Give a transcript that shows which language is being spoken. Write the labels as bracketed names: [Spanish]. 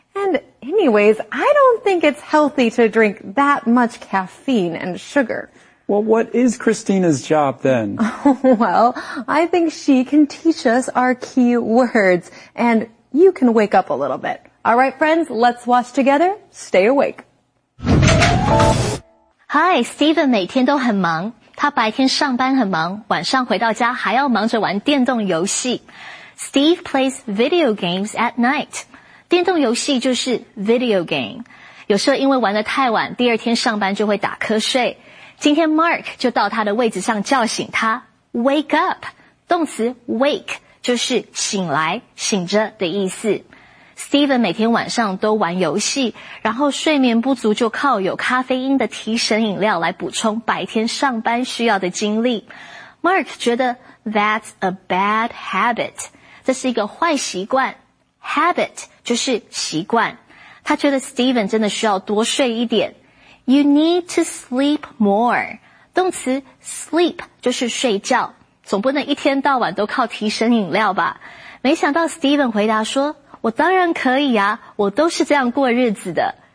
[English] And anyways, I don't think it's healthy to drink that much caffeine and sugar. Well, what is Christina's job then? Well, I think she can teach us our key words, and you can wake up a little bit. All right, friends, let's watch together. Stay awake. [Chinese] Hi, Steven 每天都很忙。他白天上班很忙，晚上回到家还要忙着玩电动游戏。 [English] Steve plays video games at night. [Chinese] 电动游戏就是 video game。有时候因为玩得太晚，第二天上班就会打瞌睡。今天 Mark 就到他的位置上叫醒他 ,wake up, 动词 wake 就是醒来、醒着的意思。 Steven 每天晚上都玩游戏，然后睡眠不足就靠有咖啡因的提神饮料来补充白天上班需要的精力。 Mark 觉得 [English] that's a bad habit, [Chinese] 这是一个坏习惯。 habit 就是习惯。他觉得 Steven 真的需要多睡一点。 [English] You need to sleep more. [Chinese] 动词 sleep 就是睡觉，总不能一天到晚都靠提神饮料吧。没想到 Steven 回答说，我当然可以啊，我都是这样过日子的。